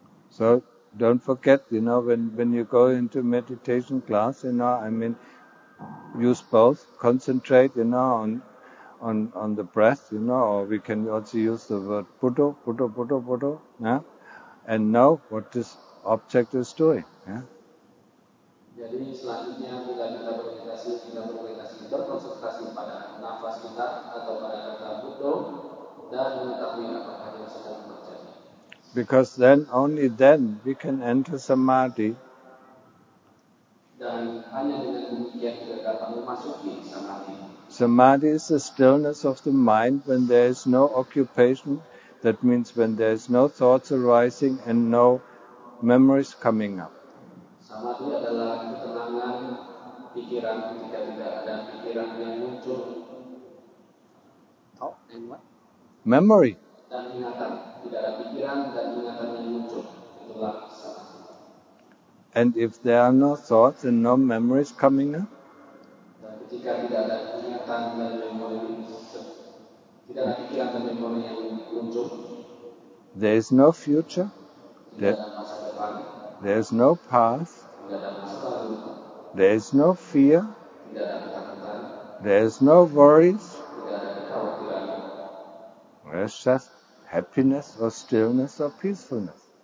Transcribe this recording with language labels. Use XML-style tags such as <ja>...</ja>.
<en>So don't forget, you know, when you go into meditation class, you know, I mean, use both, concentrate, you know, on the breath, you know, or we can also use the word putto, yeah, and know what this object is doing, yeah.</en> <id>Jadi selanjutnya kita berkonsentrasi, berkonsentrasi pada nafas kita atau pada kata buto dan mengetahui apa yang sedang terjadi.</id> <en>Because then, only then, we can enter samadhi.</en> <id>Dan hanya dengan demikian kita dapat memasuki samadhi.</id> <en>Samadhi is the stillness of the mind when there is no occupation. That means when there is no thoughts arising and no memories coming up.</en> <id>Samadhi adalah ketenangan pikiran ketika tidak ada pikiran yang muncul.</id> <en>Oh, and what? Memory.</en> <id>Dan dan ingatan, tidak ada pikiran dan ingatan yang muncul, itulah sat.</id> <en>And if there are no thoughts and no memories coming up,</en> <id>dan ketika tidak ada ingatan dan memori, tidak ada pikiran dan memori yang muncul,</id> <en>there is no future, there is no past, there is no fear, there is no worries, there is just happiness or stillness or peacefulness.</en>